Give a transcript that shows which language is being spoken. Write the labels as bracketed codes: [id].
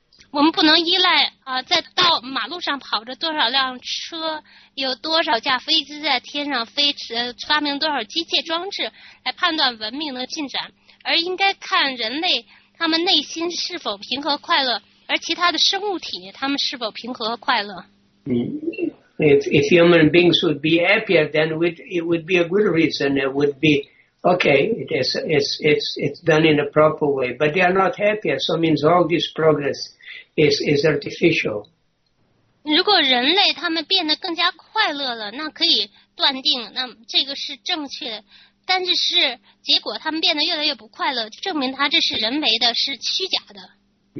[zh] 我们不能依赖在道马路上跑着多少辆车，有多少架飞机在天上飞，发明多少机械装置来判断文明的进展，而应该看人类他们内心是否平和快乐，而其他的生物体他们是否平和快乐。嗯。 [en] If human beings would be happier, then it would be a good reason. It would be okay. It's done in a proper way. But they are not happier. So it means all this progress is artificial. [zh] 如果人类他们变得更加快乐了，那可以断定，那这个是正确的。但是结果他们变得越来越不快乐，就证明他这是人为的，是虚假的。